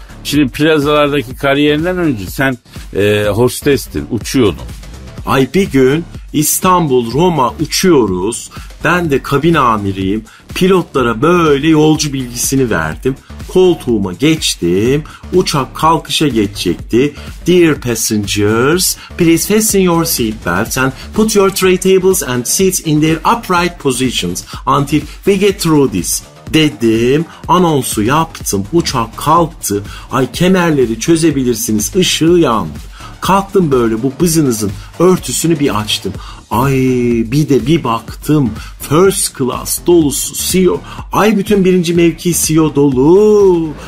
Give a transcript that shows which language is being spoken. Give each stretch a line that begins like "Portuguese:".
Turkish: Şimdi plazalardaki kariyerinden önce sen hostestin, uçuyordun. Ay bir gün İstanbul, Roma uçuyoruz. Ben de kabin amiriyim. Pilotlara böyle yolcu bilgisini verdim. Koltuğuma geçtim. Uçak kalkışa geçecekti.
English: Dear passengers, please fasten your seat belts and put your tray tables and seats in their upright positions until we get through this.
Turkish: Dedim, anonsu yaptım, uçak kalktı, ay kemerleri çözebilirsiniz, ışığı yandı. Kalktım böyle bu bızınızın örtüsünü bir açtım. Ay bir de bir baktım, first class dolusu CEO, ay bütün birinci mevki CEO dolu.